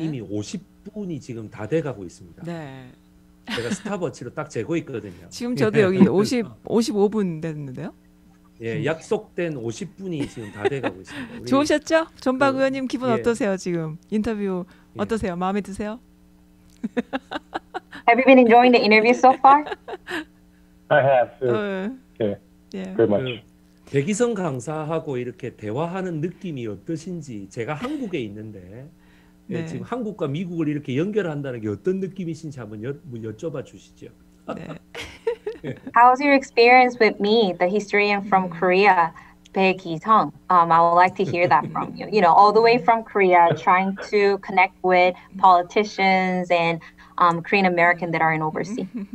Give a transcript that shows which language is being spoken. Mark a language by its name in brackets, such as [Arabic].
[Korean] 이미 50분이 지금 다 돼 가고 있습니다. 네. 제가 스탑워치로 딱 재고 있거든요. 지금 저도 여기 55분 됐는데요. 예, 약속된 50분이 지금 다 돼가고 있습니다. 좋으셨죠? 전박 의원님 기분 예. 어떠세요? 지금 인터뷰 어떠세요? 예. 마음에 드세요? [English] Have you been enjoying the interview so far? I have. Yeah. Yeah. Pretty much. [Korean] 백이성 강사하고 이렇게 대화하는 느낌이 어떠신지 제가 한국에 있는데 네. 예, 지금 한국과 미국을 이렇게 연결한다는 게 어떤 느낌이신지 한번 여쭤봐 주시죠. 네. [English] How's your experience with me, the historian from Korea, Bae Ki-sung? I would like to hear that from you. You know, all the way from Korea, trying to connect with politicians and Korean American that are in overseas.